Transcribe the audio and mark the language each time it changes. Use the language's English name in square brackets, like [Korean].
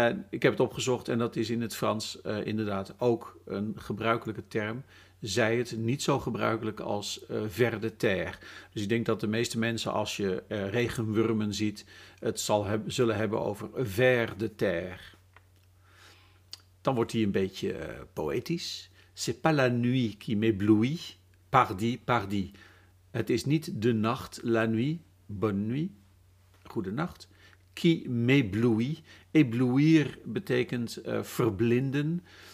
[Dutch] Ik heb het opgezocht en dat is in het Frans inderdaad ook een gebruikelijke term. Zij het niet zo gebruikelijk als [French] ver de terre. [Dutch] Dus ik denk dat de meeste mensen, als je regenwormen ziet, het zullen hebben over [French] ver de terre. [Dutch] Dan wordt hij een beetje poëtisch. [French] C'est pas la nuit qui m'éblouit, pardi. [Dutch] Het is niet de nacht, [French] la nuit, bonne nuit, [Dutch] goede nacht, [French] qui m'éblouit. [Dutch] Éblouir betekent verblinden.